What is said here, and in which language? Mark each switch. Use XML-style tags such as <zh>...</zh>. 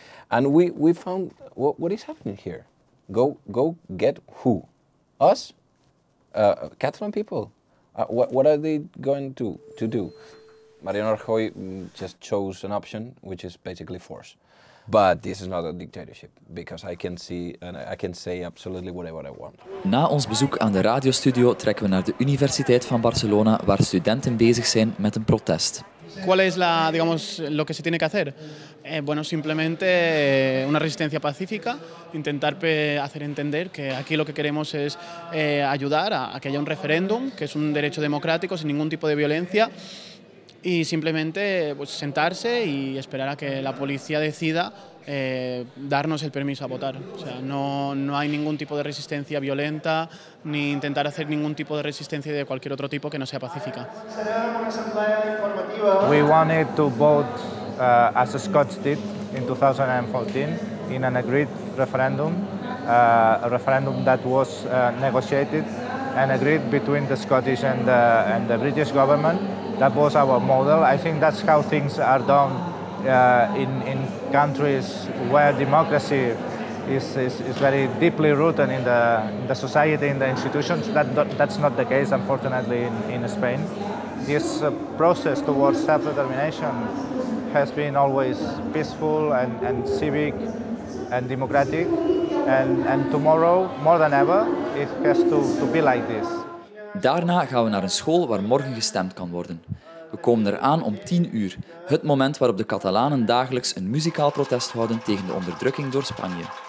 <en>And we found, what is happening here? Go get who? Us? Catalan people? What are they going to do? Mariano Rajoy just chose an option, which is basically force. But this is not a dictatorship, because I can see and I can say absolutely whatever I want.</en> <nl>Na ons bezoek aan de radiostudio trekken we naar de Universiteit van Barcelona, waar studenten bezig zijn met een protest.</nl> <es>¿Cuál es la, digamos, lo que se tiene que hacer? Bueno, simplemente una resistencia pacífica, intentar hacer entender que aquí lo que queremos es ayudar a que haya un referéndum, que es un derecho democrático sin ningún tipo de violencia. Y simplemente pues, sentarse y esperar a que la policía decida darnos el permiso a votar. O sea, no hay ningún tipo de resistencia violenta ni intentar hacer ningún tipo de resistencia de cualquier otro tipo que no sea pacífica.</es> <en>We wanted to vote as the Scots did in 2014 in an agreed referendum, a referendum that was negotiated and agreed between the Scottish and the British government. That was our model. I think that's how things are done in countries where democracy is very deeply rooted in the society, in the institutions. That's not the case, unfortunately, in Spain. This process towards self-determination has been always peaceful and civic and democratic. And tomorrow, more than ever, it has to be like this.</en> <nl>Daarna gaan we naar een school waar morgen gestemd kan worden. We komen eraan om 10:00, het moment waarop de Catalanen dagelijks een muzikaal protest houden tegen de onderdrukking door Spanje.</nl>